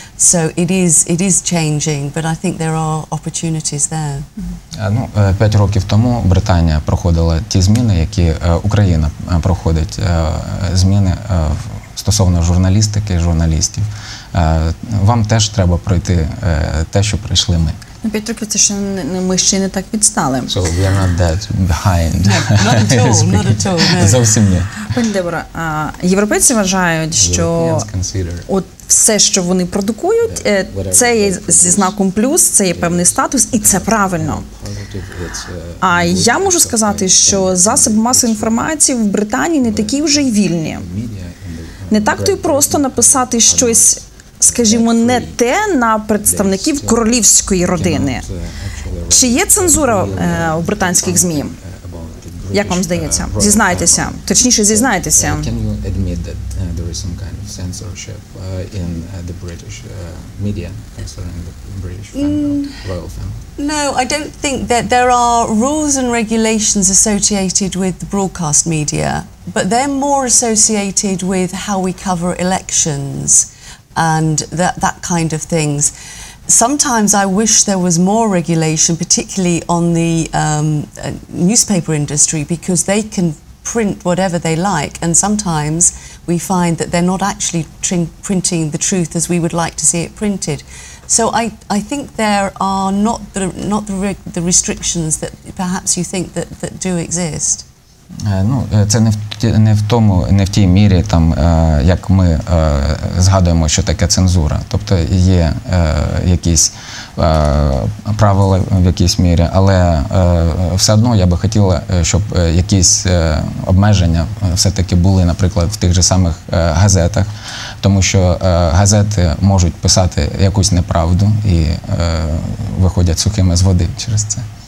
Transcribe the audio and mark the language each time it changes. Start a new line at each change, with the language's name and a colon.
English: So it is changing, but I think there are opportunities there.
Ukrainian: Ну, 5 років тому Британія проходила ті зміни, які Україна проходить, зміни стосовно журналістики, журналістів. Вам теж треба пройти те, що пройшли ми. На 5 років це ще не, ми ще не так відстали.
English: So we are not that behind. Not at all.
Ukrainian: Зовсім ні. Пані Дебора, європейці вважають, що от все, що вони продукують, це є зі знаком плюс, це є певний статус, і це правильно. А я можу сказати, що засоби масової інформації в Британії не такі вже й вільні. Не так то й просто написати щось скажімо, не те на представників королівської родини. Чи є цензура у британських ЗМІ? Як вам здається? Зізнайтеся. Точніше, зізнайтеся.
English: Can you admit that there is some kind of censorship in the British media concerning the British royal family? No, I don't think that there are rules and regulations associated with the broadcast media, but they're more associated with how we cover elections and that kind of things. Sometimes I wish there was more regulation, particularly on the newspaper industry, because they can print whatever they like, and sometimes we find that they're not actually printing the truth as we would like to see it printed. So I think there are not the restrictions that perhaps you think that do exist.
Ukrainian: Ну, це не в тій мірі, там, як ми згадуємо, що таке цензура. Тобто є якісь правила в якійсь мірі, але все одно я би хотіла, щоб якісь обмеження все-таки були, наприклад, в тих же самих газетах, тому що газети можуть писати якусь неправду і виходять сухими з води через це.